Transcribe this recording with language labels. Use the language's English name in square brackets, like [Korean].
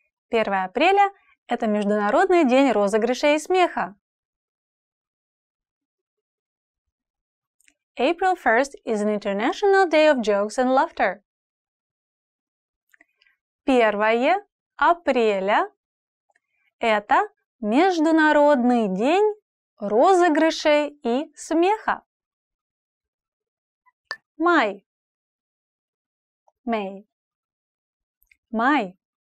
[Russian] 1 апреля – это Международный день розыгрыша и смеха. [English] April 1st is an International Day of Jokes and Laughter. [Russian] 1 апреля – это Международный день розыгрышей и смеха. [English] May. May. May.